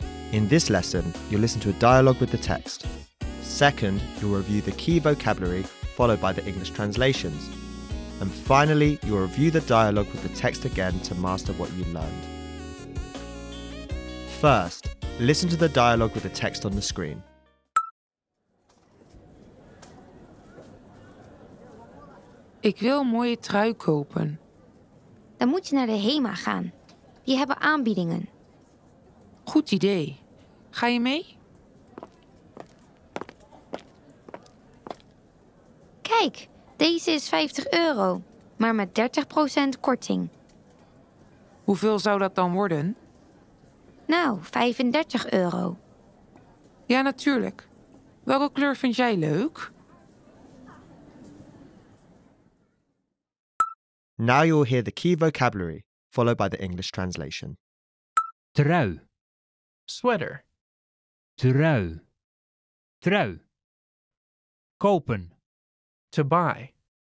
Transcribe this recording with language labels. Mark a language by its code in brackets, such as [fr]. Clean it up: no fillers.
[en] In this lesson, you'll listen to a dialogue with the text. Second, you'll review the key vocabulary followed by the English translations. And finally, you'll review the dialogue with the text again to master what you learned. First, listen to the dialogue with the text on the screen. [nl] Ik wil een mooie trui kopen. Dan moet je naar de HEMA gaan. Die hebben aanbiedingen. Goed idee. Ga je mee? Kijk, deze is 50 euro, maar met 30% korting. Hoeveel zou dat dan worden? Nou, 35 euro. Ja, natuurlijk. Welke kleur vind jij leuk? [en] Now you'll hear the key vocabulary, followed by the English translation. [nl] Trui. [en] Sweater. [nl] Trui. Trui. Kopen. [en] To buy.